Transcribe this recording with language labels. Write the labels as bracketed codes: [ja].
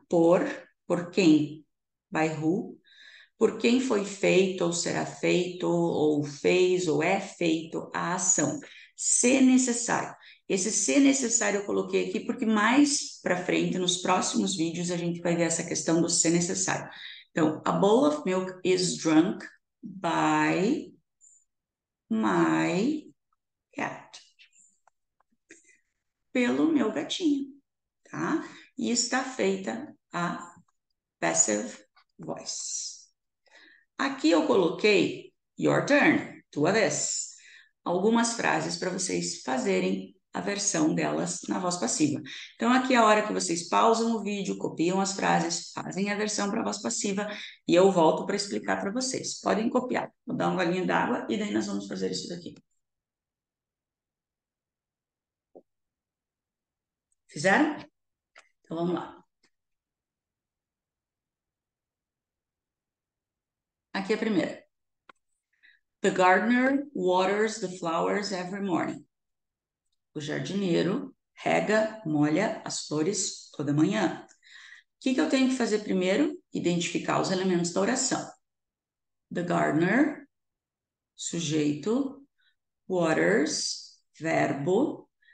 [pt] Por quem? [en] By who? [pt] Por quem foi feito, ou será feito, ou fez, ou é feito a ação. Se necessário. Esse se necessário eu coloquei aqui porque mais para frente, nos próximos vídeos, a gente vai ver essa questão do se necessário. [en] Então, a bowl of milk is drunk by my cat. [pt] Pelo meu gatinho, tá? E está feita a passive voice. Aqui eu coloquei [en] your turn, [pt] tua vez. Algumas frases para vocês fazerem a versão delas na voz passiva. Então, aqui é a hora que vocês pausam o vídeo, copiam as frases, fazem a versão para a voz passiva e eu volto para explicar para vocês. Podem copiar. Vou dar um golinho d'água e daí nós vamos fazer isso daqui. Fizeram? Então, vamos lá. Aqui é a primeira. [en] The gardener waters the flowers every morning. [pt] O jardineiro rega, molha as flores toda manhã. O que que eu tenho que fazer primeiro? Identificar os elementos da oração. [en] The gardener, sujeito. Waters, verbo.